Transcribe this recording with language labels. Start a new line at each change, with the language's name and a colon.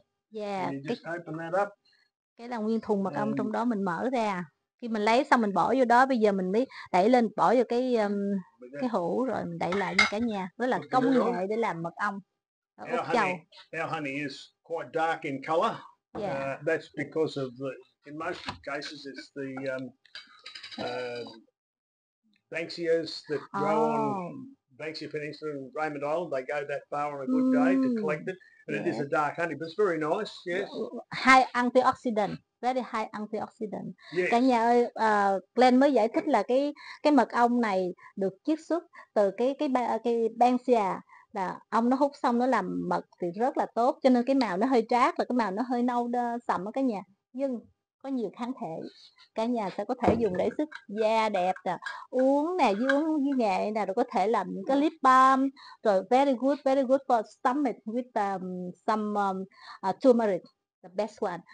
English: Yeah, just open that up.
Vietnamese: Cái là nguyên thùng mật ong trong đó mình mở ra. Khi mình lấy xong mình bỏ vô đó, bây giờ mình mới đẩy lên, bỏ vô cái hũ rồi mình đẩy lại nha cả nhà. Đó là công nghệ để làm mật ong ở Úc Châu.
English: Our honey is quite dark in color. Yeah. That's because of the, in most cases, it's the banksias that grow on Banksia Peninsula and Raymond Island. They go that far on a good day to collect it. And it is a dark honey, but it's very nice, yes. High antioxidant. Very high antioxidant. Yes.
Vietnamese: Cả nhà ơi, Glenn mới giải thích là cái mật ong này được chiết xuất từ cái banksia. Là ông nó hút xong nó làm mật thì rất là tốt, cho nên cái màu nó hơi trát và cái màu nó hơi nâu đơ, sậm ở cả nhà. Nhưng có nhiều kháng thể, cả nhà sẽ có thể dùng để sức da đẹp nè, uống nè, uống với nghệ nè, rồi có thể làm những cái lip balm, rồi very good for stomach with some turmeric, the best one.